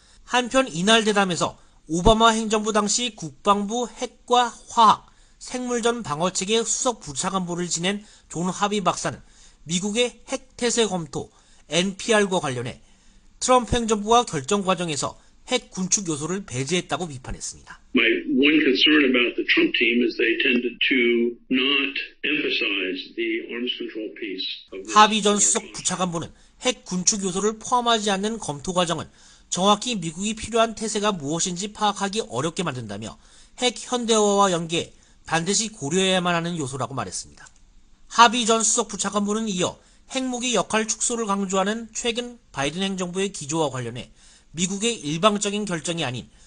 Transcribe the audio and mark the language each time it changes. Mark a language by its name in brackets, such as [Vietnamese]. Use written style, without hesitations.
[Korean] 한편 이날 대담에서 오바마 행정부 당시 국방부 핵과 화학, 생물전 방어체계 수석 부차관보를 지낸 존 하비 박사는 미국의 핵 태세 검토 NPR과 관련해 트럼프 행정부가 결정 과정에서 핵 군축 요소를 배제했다고 비판했습니다. [English] My one concern about the Trump team is they tended to not emphasize the arms control piece. [Korean] 하비 전 수석 부차관보는 핵 군축 요소를 포함하지 않는 검토 과정은 정확히 미국이 필요한 태세가 무엇인지 파악하기 어렵게 만든다며 핵 현대화와 연계 반드시 고려해야만 하는 요소라고 말했습니다. 하비 전 수석 부차관보는 이어 핵무기 역할 축소를 강조하는 최근 바이든 행정부의 기조와 관련해 미국의 일방적인 결정이 아닌